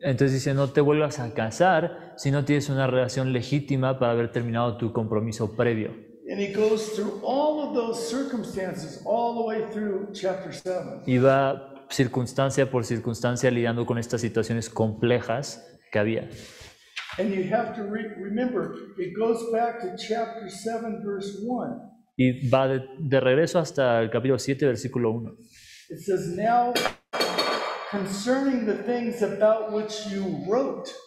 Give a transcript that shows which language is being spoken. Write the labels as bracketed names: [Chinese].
[Spanish] Entonces dice, no te vuelvas a casar si no tienes una relación legítima para haber terminado tu compromiso previo. [English] And he goes through all of those circumstances all the way through chapter 7. [Spanish] Y va circunstancia por circunstancia lidiando con estas situaciones complejas que había. [English] And you have to remember, it goes back to chapter 7, verse 1. [Spanish] Y va de regreso hasta el capítulo 7, versículo 1. [English] It says, now concerning the things about which you wrote.